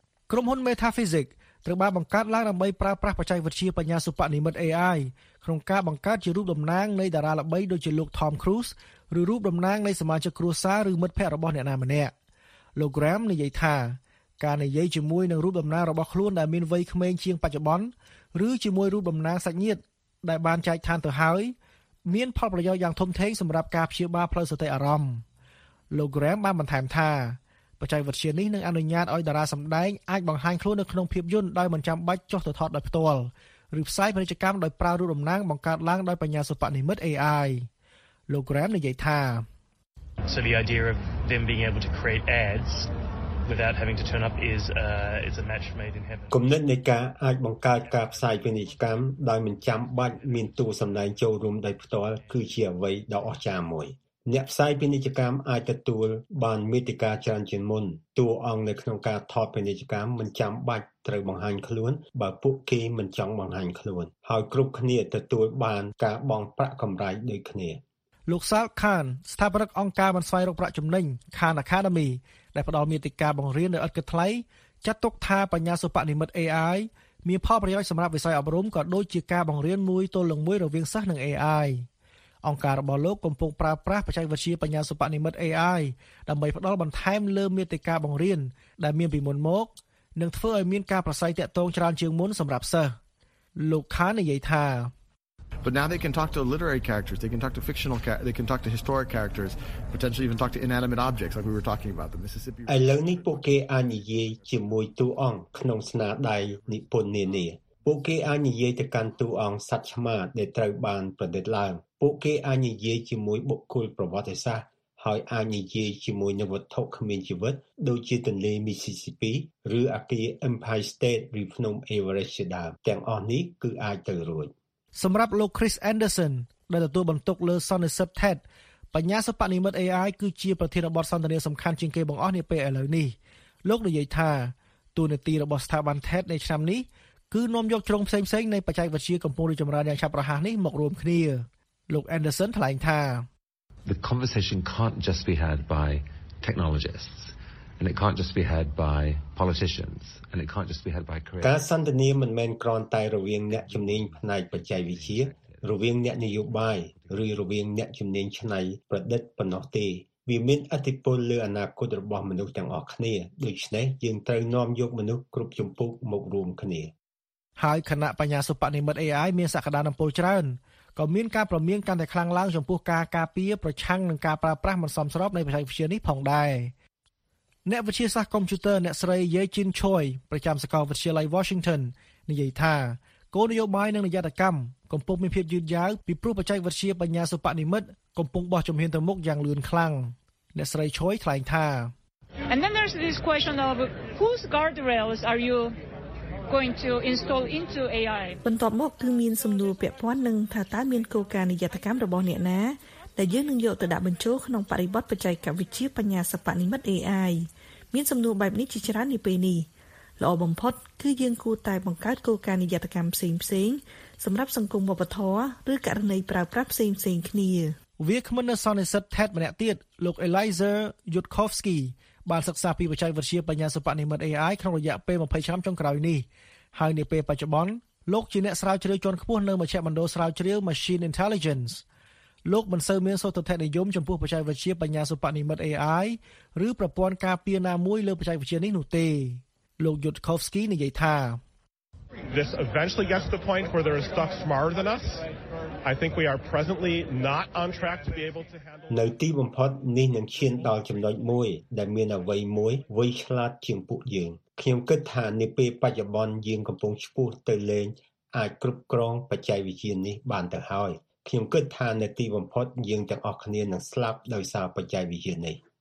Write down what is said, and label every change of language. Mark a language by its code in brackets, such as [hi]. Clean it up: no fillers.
[km] ក្រុមហ៊ុន Metaphysics ត្រូវបានបង្កើតឡើងដើម្បីប្រើប្រាស់បច្ចេកវិទ្យាបញ្ញាសិប្បនិម្មិត AI ក្នុងការបង្កើតជារូបតំណាងនៃតារាល្បីដូចជាលោក Tom Cruise ឬរូបតំណាងនៃសមាជិកគ្រួសារឬមិត្តភ័ក្តិរបស់អ្នកណាម្នាក់លោក Graham និយាយថាការនិយាយជាមួយនឹងរូបតំណាងរបស់ខ្លួនដែលមានវ័យក្មេងជាងបច្ចុប្បន្នឬជាមួយរូបតំណាងសាច់ញាតិដែលបានចែកឋានទៅហើយមានផលប្រយោជន៍យ៉ាងធំធេងសម្រាប់ការព្យាបាលផ្លូវសតិអារម្មណ៍ លោក Graham បានបន្ថែមថាបច្ចេកវិទ្យានេះនឹងអនុញ្ញាតឲ្យតារាសម្ដែងអាចបង្ហាញខ្លួននៅក្នុងភាពយន្តដោយមិនចាំបាច់ចុះទៅថតដោយផ្ទាល់ឬផ្សាយពាណិជ្ជកម្មដោយប្រើរូបតំណាងបង្កើតឡើងដោយបញ្ញាសិប្បនិម្មិត AI លោក Graham និយាយថា [en] So the idea of them being able to create ads without having to turn up is a match made in heaven [km] គំនិតនៃការអាចបង្កើតការផ្សាយពាណិជ្ជកម្មដោយមិនចាំបាច់មានតួសម្ដែងចូលរួមដោយផ្ទាល់គឺជាអ្វីដ៏អស្ចារ្យមួយអ្នកផ្សាយពាណិជ្ជកម្មអាចទទួលបានមេតិកាច្រើនជាងមុនតួអង្គនៅក្នុងការថតពាណិជ្ជកម្មមិនចាំបាច់ត្រូវបង្ហាញខ្លួនបើពួកគេមិនចង់បង្ហាញខ្លួនហើយគ្រប់គ្នាទទួលបានការបង់ប្រាក់កម្រៃដូចគ្នា លោកសាលខានស្ថាបនិកអង្គការបានស្វែងរកប្រាក់ចំណេញ Khan Academy ដែលផ្ដល់មេតិកាបង្រៀននៅឥតគិតថ្លៃចាត់ទុកថាបញ្ញាសិប្បនិម្មិត AI មានផលប្រយោជន៍សម្រាប់វិស័យអប់រំក៏ដូចជាការបង្រៀនមួយទល់នឹងមួយរវាងសិស្សនិង AIអង្គការរបស់លោកកំពុងប្រើប្រាស់បច្ចេកវិទ្យាបញ្ញាសិប្បនិម្មិត AI ដើម្បីផ្ដល់បន្ថែមលើមេតិកាបង្រៀនដែលមានពីមុនមកនិងធ្វើឲ្យមានការប្រស័យទាក់ទងច្រើនជាងមុនសម្រាប់សិស្សលោកខាននិយាយថា [en] But now they can talk to literary characters, they can talk to fictional characters, they can talk to historic characters, potentially even talk to inanimate objects like we were talking about the Mississippi [km] ឥឡូវនេះពួកគេអាចនិយាយជាមួយតួអង្គក្នុងស្នាដៃនិពន្ធនានាពួកគេអាចនិយាយទៅកាន់តួអង្គសត្វឆ្មាដែលត្រូវបានប្រឌិតឡើងពួកគេអាចនិយាយជាមួយបុគ្គលប្រវត្តិសាស្ត្រហើយអាចនិយាយជាមួយនឹងវត្ថុគ្មានជីវិតដូចជាទន្លេ Mississippi ឬអគារ Empire State ឬភ្នំ Everest ជាដើមទាំងអស់នេះគឺអាចទៅរួច សម្រាប់លោក Chris Anderson ដែលទទួលបន្ទុកលើសន្និសីទ TED បញ្ញាសិប្បនិម្មិត AI គឺជាប្រធានបទសន្ទនាសំខាន់ជាងគេបង្អស់នាពេលឥឡូវនេះលោកនិយាយថាតួនាទីរបស់ស្ថាប័ន TED នៅឆ្នាំនេះគឺនាំយកជ្រុងផ្សេងៗនៃបច្ចេកវិទ្យាកំពុងរីកចម្រើនយ៉ាងឆាប់រហ័សនេះមករួមគ្នាលោក Anderson ថ្លែងថា [en] The conversation can't just be had by technologists and it can't just be had by politicians and it can't just be had by creators [km] ការសន្ទនាមិនមែនគ្រាន់តែរវាងអ្នកជំនាញផ្នែកបច្ចេកវិទ្យារវាងអ្នកនយោបាយឬរវាងអ្នកជំនាញឆ្នៃប្រឌិតប៉ុណ្ណោះទេវាមានឥទ្ធិពលលើអនាគតរបស់មនុស្សទាំងអស់គ្នាដូច្នេះយើងត្រូវនាំយកមនុស្សគ្រប់ជំពូកមករួមគ្នា ហើយគណៈបញ្ញាសិប្បនិម្មិត AI មានសក្តានុពលច្រើនក៏មានការប្រមាងកាន់តែខ្លាំងឡើងចំពោះការការពារប្រឆាំងនឹងការប្រើប្រាស់មិនសមស្របនៃបច្ចេកវិទ្យានេះផងដែរអ្នកវិទ្យាសាស្ត្រកុំព្យូទ័រអ្នកស្រីយេជីនឆួយប្រចាំសាកលវិទ្យាល័យ Washington និយាយថាគោលនយោបាយនិងនយោបាយកម្មកំពុងមានភាពយឺតយ៉ាវពីព្រោះបច្ចេកវិទ្យាបញ្ញាសិប្បនិម្មិតកំពុងបោះជំហានទៅមុខយ៉ាងលឿនខ្លាំងអ្នកស្រីឆួយថ្លែងថា [en] And then there's this question of whose guardrails are yougoing to install into AI [km] បន្ទាប់មកគឺមានសំណួរពាក់ព័ន្ធនឹងថាតើមានគោលការណ៍នយោបាយកម្មរបស់អ្នកណាដែលយើងនឹងយកទៅដាក់បញ្ចូលក្នុងបរិបទបច្ចេកវិទ្យាបញ្ញាសិប្បនិម្មិត AI មានសំណួរបែបនេះជាច្រើននាពេលនេះល្អបំផុតគឺយើងគួរតែបង្កើតគោលការណ៍នយោបាយកម្មផ្សេងៗសម្រាប់សង្គមវប្បធម៌ឬករណីប្រើប្រាស់ផ្សេងៗគ្នា វាគ្មិននៅសន្និសីទ TED ម្នាក់ទៀតលោក Eliza Yudkovskyបានសិក្សាពីបច្ចេកវិទ្យាបញ្ញាសិប្បនិម្មិត AI ក្នុងរយៈពេល20ឆ្នាំចុងក្រោយនេះហើយនាពេលបច្ចុប្បន្ន លោកជាអ្នកស្រាវជ្រាវជាន់ខ្ពស់នៅមជ្ឈមណ្ឌលស្រាវជ្រាវ Machine Intelligence លោកមិនសូវមានសុទ្ធិនិយមចំពោះបច្ចេកវិទ្យាបញ្ញាសិប្បនិម្មិត AI ឬប្រព័ន្ធការពារណាមួយលើបច្ចេកវិទ្យានេះនោះទេលោក Yudkovsky និយាយថា [en] This eventually gets to the point where there is stuff smarter than us I think we are presently not on track to be able to handle [km] នៅទីបំផុតនេះនឹងឈានដល់ចំណុចមួយដែលមានអវ័យមួយវៃឆ្លាតជាងពួកយើងខ្ញុំគិតថានាពេលបច្ចុប្បន្នយើងកំពុងឈ្មោះទៅលេងអាចគ្រប់គ្រងបច្ចេកវិទ្យានេះបានទៅហើយខ្ញុំគិតថានៅទីបំផុតយើងទាំងអស់គ្នានឹងស្លាប់ដោយសារបច្ចេកវិទ្យានេះ